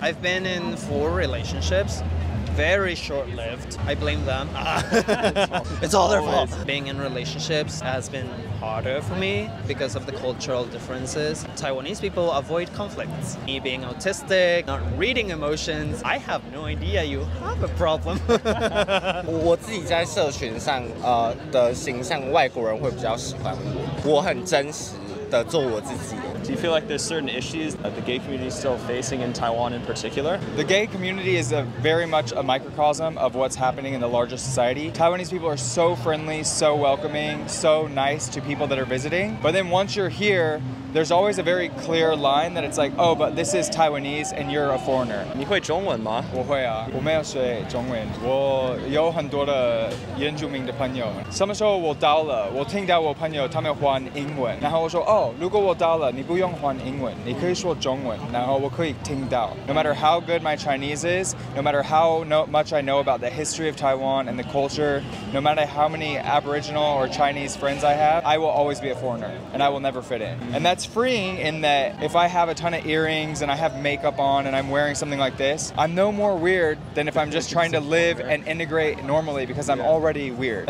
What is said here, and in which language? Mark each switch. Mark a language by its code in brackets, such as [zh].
[en] I've been in 4 relationships, very short-lived. I blame them. It's all their fault. Being in relationships has been harder for me because of the cultural differences. Taiwanese people avoid conflicts. Me being autistic, not reading emotions, I have no idea you have a problem. [zh] 我自己在社群上的形象，外国人会比较喜欢我。我很真实的做我自己。 [en] Do you feel like there's certain issues that the gay community is still facing in Taiwan in particular? The gay community is a very much a microcosm of what's happening in the larger society. Taiwanese people are so friendly, so welcoming, so nice to people that are visiting. But then once you're here, there's always a very clear line that it's like, oh, but this is Taiwanese and you're a foreigner. [zh] 你会中文吗？我会啊。我没有学中文。我有很多的原住民的朋友。什么时候我到了，我听到我朋友他们换英文，然后我说，哦，如果我到了，你不用换英文，你可以说中文，然后我可以听到。 [en] No matter how good my Chinese is, no matter how much I know about the history of Taiwan and the culture, no matter how many Aboriginal or Chinese friends I have, I will always be a foreigner and I will never fit in. And that's freeing in that if I have a ton of earrings and I have makeup on and I'm wearing something like this, I'm no more weird than if I'm just trying to live and integrate normally because I'm already weird.